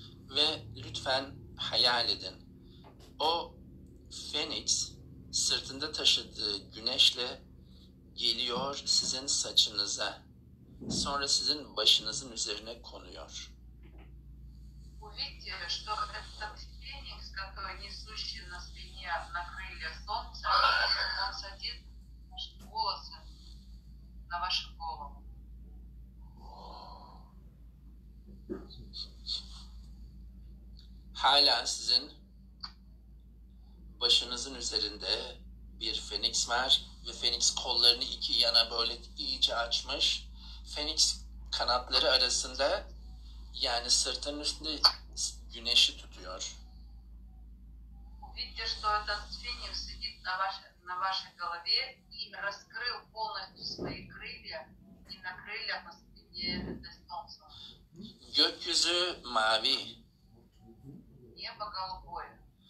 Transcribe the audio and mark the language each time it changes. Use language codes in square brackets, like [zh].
[tr] Ve lütfen hayal edin. O Phoenix sırtında taşıdığı güneşle geliyor sizin saçınıza. Sonra sizin başınızın üzerine konuyor. [ru] Увидите, что этот феникс, который несущий на спине на крылья солнца, он садит ваши волосы на вашу голову. [tr] Hala sizin başınızın üzerinde bir feniks var ve feniks kollarını iki yana böyle iyice açmış. Feniks kanatları arasında, yani sırtının üstünde güneşi tutuyor. [ru] Видите, что этот феникс сидит на вашей голове и раскрыл полностью свои крылья и на крыльях на спине это солнце. [tr] Gökyüzü mavi. [ru] Небо голубое.